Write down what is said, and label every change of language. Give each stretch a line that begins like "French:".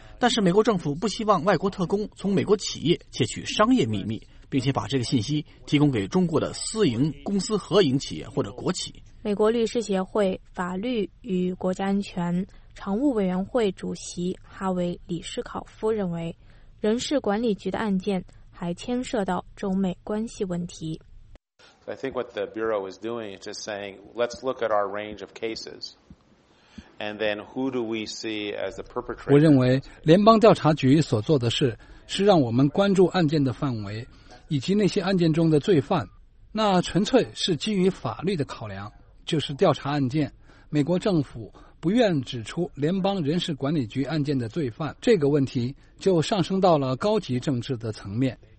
Chinese: 但是美国政府不希望外国特工从美国企业窃取商业秘密，并且把这个信息提供给中国的私营公司、合营企业或者国企。美国律师协会法律与国家安全常务委员会主席哈维·李斯考夫认为，人事管理局的案件还牵涉到中美关系问题。
English: I think what the Bureau is doing is just saying, let's look at our range of cases. And then who do we see as the perpetrator?
Chinese: 我认为联邦调查局所做的事是让我们关注案件的范围以及那些案件中的罪犯。那纯粹是基于法律的考量，就是调查案件。美国政府不愿指出联邦人事管理局案件的罪犯，这个问题就上升到了高级政治的层面。